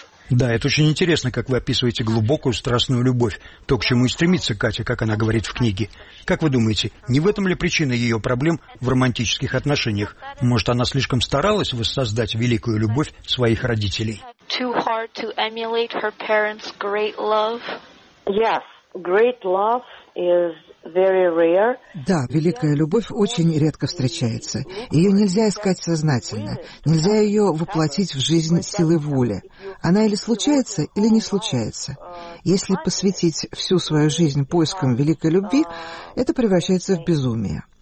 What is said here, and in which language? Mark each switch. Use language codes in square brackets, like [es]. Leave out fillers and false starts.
[ru] Да, это очень интересно, как вы описываете глубокую страстную любовь, то, к чему и стремится Катя, как она говорит в книге. Как вы думаете, не в этом ли причина ее проблем в романтических отношениях? Может, она слишком старалась воссоздать великую любовь своих родителей? [en] Too hard to emulate her parents' great love. Yes, great love is very rare. [ru] Да, великая любовь очень редко встречается. Ее нельзя искать сознательно, нельзя ее воплотить в жизнь силой воли. Она или случается, или не случается. Если посвятить всю свою жизнь поискам великой любви, это превращается в безумие.